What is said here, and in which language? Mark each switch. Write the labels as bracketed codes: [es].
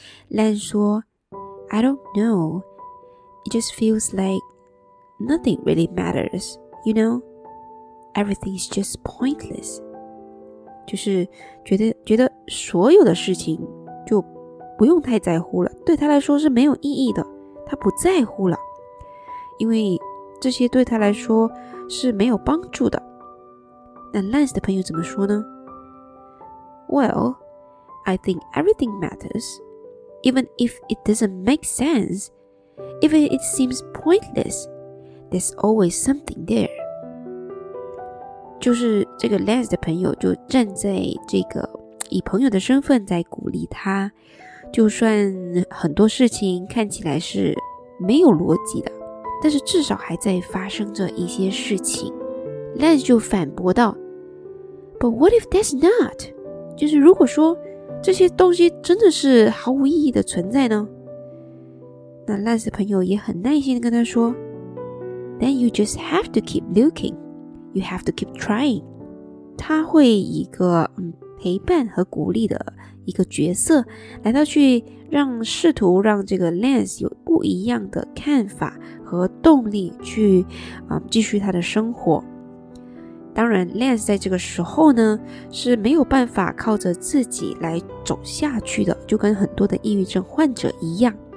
[en] Lance [zh] 说， [en] I don't know, it just feels like nothing really matters, you know, everything is just pointless, [zh] 就是觉得所有的事情就不用太在乎了，对他来说是没有意义的，他不在乎了，因为这些对他来说是没有帮助的。那 Lance 的朋友怎么说呢？ [en] Well, I think everything matters, even if it doesn't make sense, even if it seems pointless, there's always something there. [zh] 就是这个 Lance 的朋友就站在这个以朋友的身份在鼓励他，就算很多事情看起来是没有逻辑的，但是至少还在发生着一些事情。 [en] Lance [zh] 就反驳道， [en] But what if that's not? [zh] 就是如果说这些东西真的是毫无意义的存在呢？那 Lance 的朋友也很耐心地跟他说， [en] Then you just have to keep lookingYou have to keep trying. [zh] 他会以一个陪伴和鼓励的一个角色来到去让试图让这个 Lance 有不一样的看法和动力去继续他的生活。当然 Lance 在这个时候呢是没有办法靠着自己来走下去的，就跟很多的抑郁症患者一样。